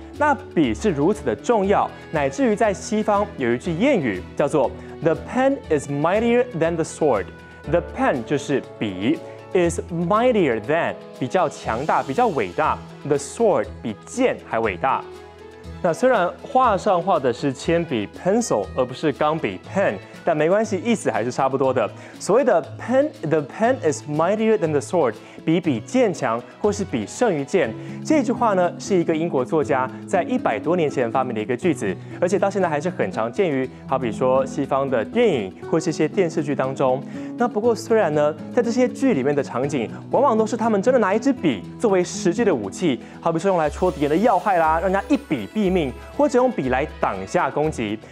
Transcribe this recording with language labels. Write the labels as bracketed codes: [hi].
[zh] 那笔是如此的重要，乃至于在西方有一句谚语叫做 [en] The pen is mightier than the sword. The pen [zh] 就是笔， [en] is mightier than [zh] 比较强大，比较伟大， [en] the sword [zh] 比剑还伟大。那虽然画上画的是铅笔 pencil 而不是钢笔 pen， 但没关系，意思还是差不多的。所谓的 pen， [en] the pen is mightier than the sword， [zh] 比笔剑强，或是笔胜于剑。这句话呢，是一个英国作家在100多年前发明的一个句子，而且到现在还是很常见于，好比说西方的电影或是一些电视剧当中。那不过虽然呢，在这些剧里面的场景，往往都是他们真的拿一支笔作为实际的武器，好比说用来戳敌人的要害啦，让人家一笔毙命，或者用笔来挡下攻击。